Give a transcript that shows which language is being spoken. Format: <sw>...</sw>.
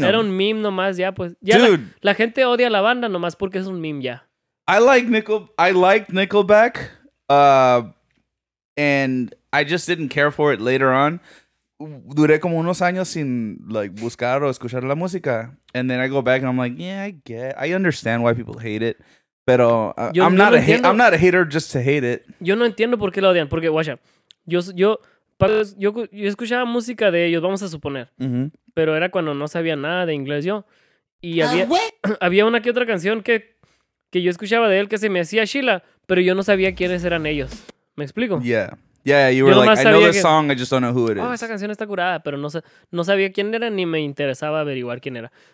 <es>them? Era un meme nomás, ya, pues. Ya</es> <en>dude.</en> <es>La gente odia a la banda nomás porque es un meme, ya.</es> <en>I like Nickelback, and I just didn't care for it later on.</en> <es>Duré como unos años sin,</es> <en>like,</en> <es>buscar o escuchar la música.</es> <en>And then I go back and I'm like, yeah, I understand why people hate it.</en> <es>Pero</es> <en>I'm not a hater just to hate it.</en> <es>Yo no entiendo por qué la odian. Porque, guacha, yo escuchaba música de ellos, vamos a suponer. Mm-hmm. Pero era cuando no sabía nada de inglés yo. Y había una que otra canción que yo escuchaba de él que se me hacía Sheila, pero yo no sabía quiénes eran ellos. ¿Me explico?</es> <en>Yeah, you were like, I know the song, I just don't know who it is.</en> <es>Oh, esa canción está curada, pero no sabía quién era ni me interesaba averiguar quién era.</es>